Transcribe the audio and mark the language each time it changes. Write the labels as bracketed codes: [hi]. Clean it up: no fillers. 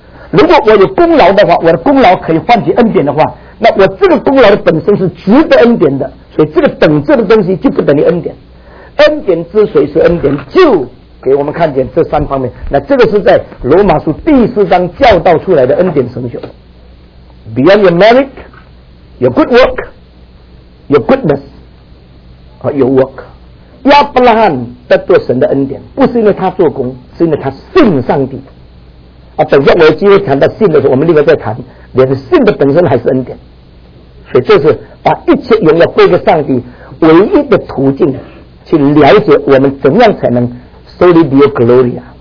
[zh] 如果我有功劳的话，我的功劳可以换取恩典的话，那我这个功劳的本身是值得恩典的，所以这个等值的东西就不等于恩典。恩典之所以是恩典，就给我们看见这三方面。那这个是在罗马书第四章教导出来的恩典神学。 [en] Beyond your merit, your good work, your goodness, or your work. [zh] 亚伯拉罕得到神的恩典，不是因为他做工，是因为他信上帝。啊，等一下我有机会谈到信的时候，我们另外再谈，连信的本身还是恩典。所以这是把一切荣耀归给上帝唯一的途径，去了解我们怎样才能 [en] solely be your glory.